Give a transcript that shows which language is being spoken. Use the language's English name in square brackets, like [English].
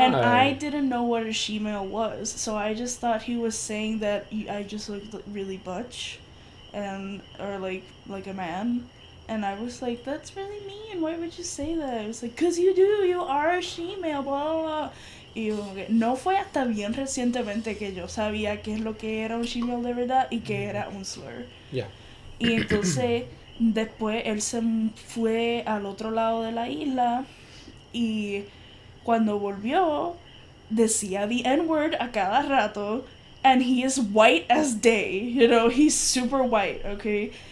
[English] And I didn't know what a shemale was, so I just thought he was saying that I just looked really butch, and or like a man. And I was like, that's really mean, why would you say that? I was like, because you do, you are a shemale, blah, blah, blah. [Spanish] Y no fue hasta bien recientemente que yo sabía qué es lo que era un shemale de verdad y qué era un slur. [English] Yeah. [Spanish] Y entonces, después, él se fue al otro lado de la isla, y... Cuando volvió, decía [English] the N-word [Spanish] a cada rato, [English] and he is white as day, you know, he's super white, okay?